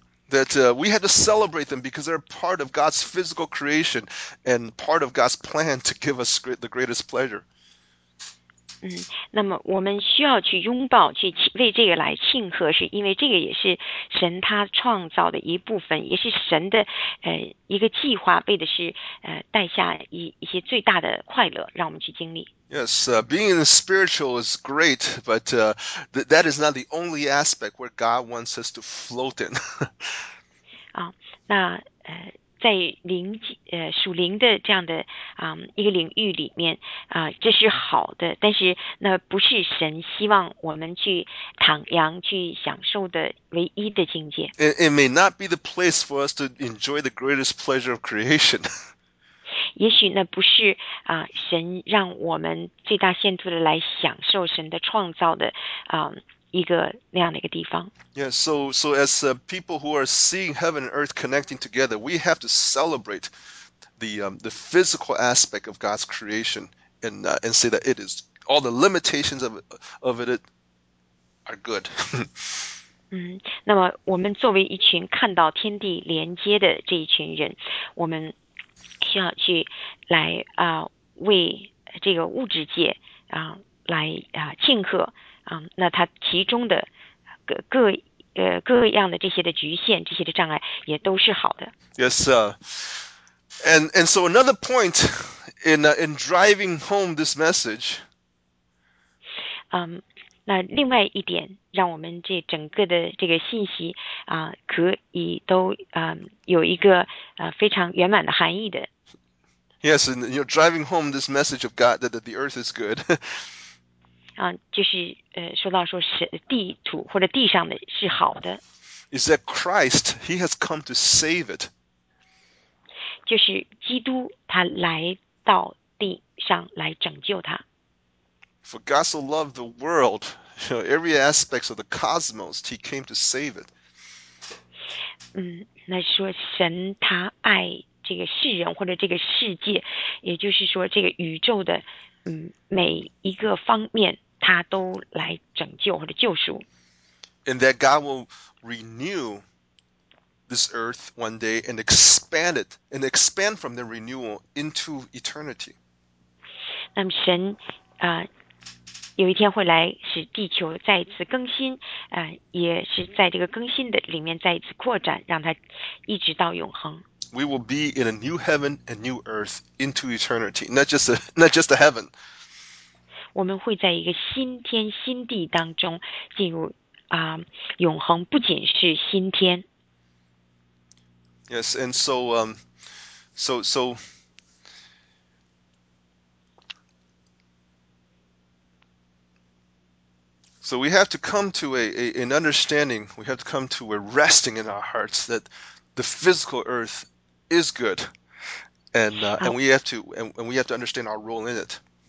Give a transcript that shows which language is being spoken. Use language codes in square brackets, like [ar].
[en] That we had to celebrate them because they're part of God's physical creation and part of God's plan to give us the greatest pleasure. [zh] 那么我们需要去拥抱，去为这个来庆贺，是因为这个也是神他创造的一部分，也是神的一个计划，为的是带下一些最大的快乐，让我们去经历。 [en] Yes, being in the spiritual is great, but that is not the only aspect where God wants us to float in. [zh] 那在属灵的这样的一个领域里面这是好的，但是那不是神希望我们去徜徉去享受的唯一的境界。 [en] It may not be the place for us to enjoy the greatest pleasure of creation. [zh] 也许那不是神让我们最大限度的来享受神的创造的一个那样的一个地方。 [en] Yeah, so as people who are seeing heaven and earth connecting together, we have to celebrate the physical aspect of God's creation and say that it is all the limitations of it are good. [zh] 那么我们作为一群看到天地连接的这一群人，我们需要去来为这个物质界来庆贺那它其中的各样的这些的局限，这些的障碍也都是好的。 [en] Yes, and so another point in driving home this message. [zh] 那另外一点，让我们这整个的这个信息可以都有一个非常圆满的含义的。 [en] Yes, and you're driving home this message of God that the earth is good. [zh] 就是说到说是地土或者地上的是好的。 [en] Is that Christ? He has come to save it. [zh] 就是基督他来到地上来拯救他。 [en] For God so loved the world, you know, every aspect of the cosmos, He came to save it. [zh] 那说神他爱这个世人或者这个世界，也就是说这个宇宙的每一个方面，他都来拯救或者救赎。 [en] And that God will renew this earth one day and expand it, and expand from the renewal into eternity. [zh] 那么神有一天会来使地球再一次更新，也是在这个更新的里面再一次扩展，让它一直到永恒。 [en] We will be in a new heaven and new earth into eternity, not just a heaven. [zh] 我们会在一个新天新地当中进入永恒，不仅是新天。 [en] Yes, and so, so so we have to come to an understanding, we have to come to a resting in our hearts that the physical earth is good, and we have to understand our role in it.